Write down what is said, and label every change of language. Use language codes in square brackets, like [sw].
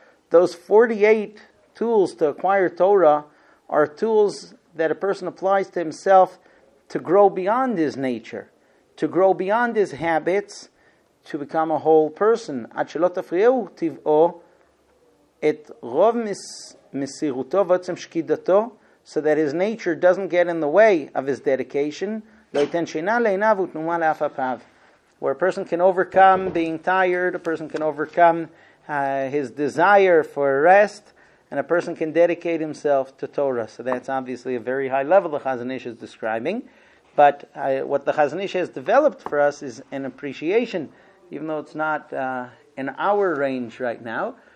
[en] Those 48 tools to acquire Torah are tools that a person applies to himself to grow beyond his nature, to grow beyond his habits, to become a whole person. [he] עד שלא תפריעו טבעו את רוב מסירותו ועצם שקידתו, [en] so that his nature doesn't get in the way of his dedication. [he] לא ייתן שינה לעיניו ותנומה לאף אפיו. [en] Where a person can overcome being tired, a person can overcome his desire for rest, and a person can dedicate himself to Torah. So that's obviously a very high level the Chazon Ish is describing. But what the Chazon Ish has developed for us is an appreciation, even though it's not in our range right now,